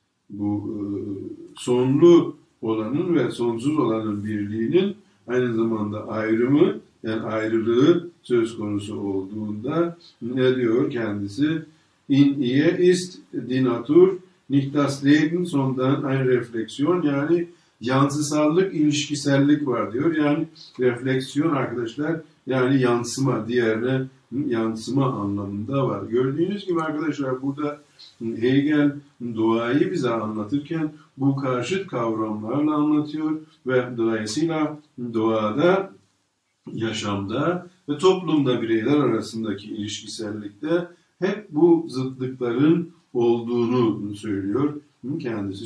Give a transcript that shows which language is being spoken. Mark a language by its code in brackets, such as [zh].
[tr] Bu sonlu olanın ve sonsuz olanın birliğinin aynı zamanda ayrımı, yani ayrılığı söz konusu olduğunda ne diyor kendisi? [de] In ihr ist die Natur nicht das Leben, sondern ein Reflexion [tr] yani yansısallık, ilişkisellik var diyor. Yani refleksiyon arkadaşlar, yani yansıma, diğerine yansıma anlamında var. Gördüğünüz gibi arkadaşlar burada Hegel doğayı bize anlatırken bu karşıt kavramlarla anlatıyor. Ve dolayısıyla doğada, yaşamda ve toplumda bireyler arasındaki ilişkisellikte hep bu zıtlıkların olduğunu söylüyor kendisi.